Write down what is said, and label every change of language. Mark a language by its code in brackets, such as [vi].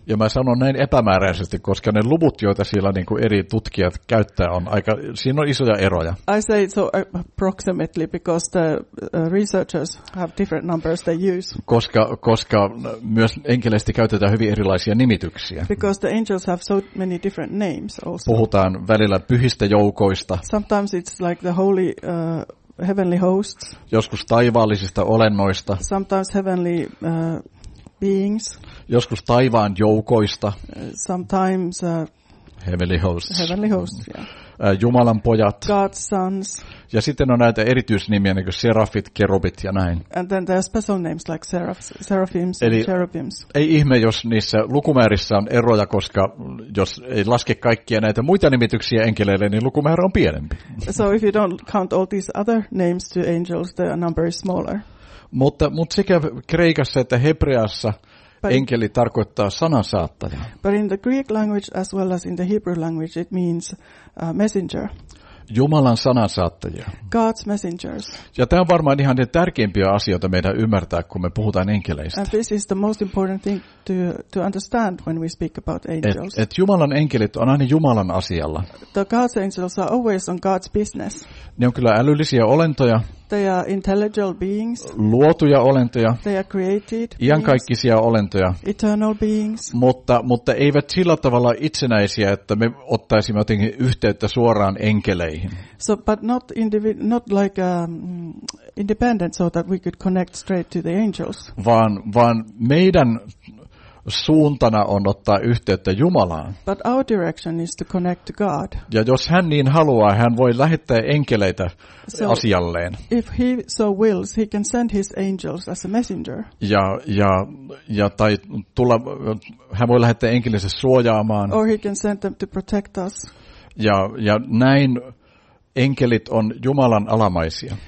[fi] Ja mä sanon näin epämääräisesti, koska ne luvut, joita siellä niin kuin eri tutkijat käyttää, on aika, siinä on isoja eroja. [en] I say so approximately because the researchers have different numbers they use. [fi] Koska myös enkeleistä käytetään hyvin erilaisia nimityksiä. [en] Because the angels have so many different names also. [fi] Puhutaan välillä pyhistä joukoista. [en] Sometimes it's like the holy heavenly hosts. [fi] Joskus taivaallisista olennoista. [en] Sometimes heavenly beings. [fi] Joskus taivaan joukoista. [en] Sometimes heavenly hosts. Heavenly hosts, yeah. [fi] Jumalan pojat. [en] God's sons. [fi] Ja sitten on näitä erityisnimiä, niin kuin serafit, kerubit ja näin. [en] And then there are special names like seraphims and cherubims. [fi] Ei ihme, jos niissä lukumäärissä on eroja, koska jos ei laske kaikkia näitä muita nimityksiä enkeleille, niin lukumäärä on pienempi. [en] So if you don't count all these other names to angels, the number is smaller. [fi] Mutta sekä kreikassa että hebreassa enkeli tarkoittaa sanansaattaja. [en] But in the Greek language as well as in the Hebrew language it means messenger. [fi] Jumalan sanansaattajia. [en] God's messengers. [fi] Ja tämä on varmaan ihan ne tärkeimpiä asioita meidän ymmärtää, kun me puhutaan enkeleistä. [en] And this is the most important thing to understand when we speak about angels. [fi] Et Jumalan enkelit on aina Jumalan asialla. [en] The God's angels are always on God's business. [fi] Ne on kyllä älyllisiä olentoja. [en] They are intelligent beings. [fi] Luotuja olentoja. [en] They are created. [fi] Iankaikkisia [en] beings. [fi] Olentoja. [en] Eternal beings. [fi] Mutta eivät sillä tavalla itsenäisiä, että me ottaisimme jotenkin yhteyttä suoraan enkeleihin. [en] So, but not like independent, so that we could connect straight to the angels. [fi] Vaan meidän suuntana on ottaa yhteyttä Jumalaan. [en] But our direction is to connect to God. [fi] Ja jos hän niin haluaa, hän voi lähettää enkeleitä asialleen. [en] If he so wills, he can send his angels as a messenger. [fi] Ja tai tulla, hän voi lähettää enkelinsä suojaamaan. [en] Or he can send them to protect us. [fi] Ja näin enkelit on Jumalan alamaisia.